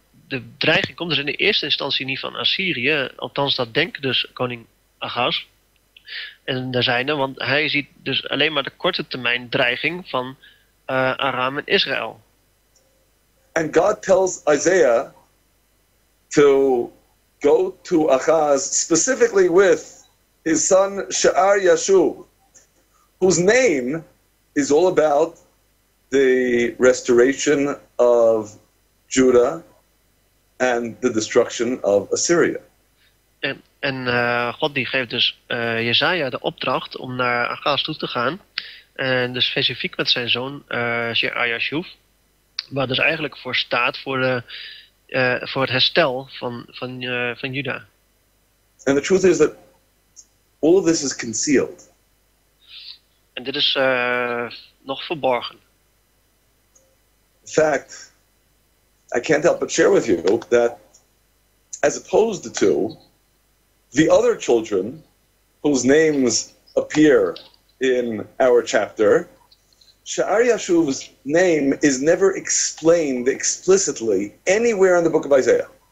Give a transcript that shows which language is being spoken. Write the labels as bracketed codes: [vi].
[nl] De dreiging komt dus in de eerste instantie niet van Assyrië. Althans, dat denkt dus koning Ahaz. En daar zijn er, want hij ziet dus alleen maar de korte termijn dreiging van Aram en Israël. [en] And God tells Isaiah to go to Ahaz specifically with his son Sha'ar Yashub, whose name is all about the restoration of Judah and the destruction of Assyria. [nl] En God die geeft dus Jesaja de opdracht om naar Ahaz toe te gaan. En dus specifiek met zijn zoon Sha'ar Yashub, waar dus eigenlijk voor staat voor het herstel van Juda. [en] And the truth is that all of this is concealed. [nl] En dit is nog verborgen. [en] In fact, I can't help but share with you that as opposed to the other children whose names appear in our chapter, Sha'ar Yashub's name is never explained explicitly anywhere in the book of Isaiah.